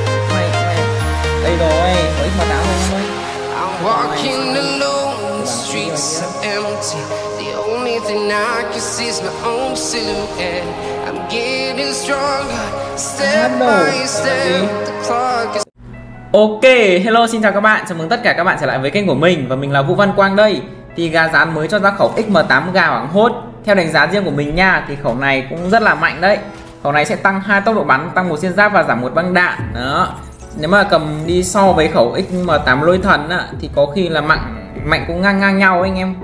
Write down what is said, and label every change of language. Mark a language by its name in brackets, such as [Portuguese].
[Vietnamese] Mày, đây rồi, mới mà đã mày thôi. [English] I'm walking alone, the streets are empty. The only thing I can see is my own silhouette. I'm getting stronger, step by step, the clock is... [Vietnamese] Ok, hello, xin chào các bạn, chào mừng tất cả các bạn trở lại với kênh của mình. Và mình là Vũ Văn Quang đây. Thì gà rán mới cho ra khẩu XM8 gà hoảng hốt. Theo đánh giá riêng của mình nha, thì khẩu này cũng rất là mạnh đấy. Khẩu này sẽ tăng 2 tốc độ bắn, tăng 1 xiên giáp và giảm 1 băng đạn đó. Nếu mà cầm đi so với khẩu XM8 lôi thần á, thì có khi là mạnh cũng ngang nhau ấy, anh em.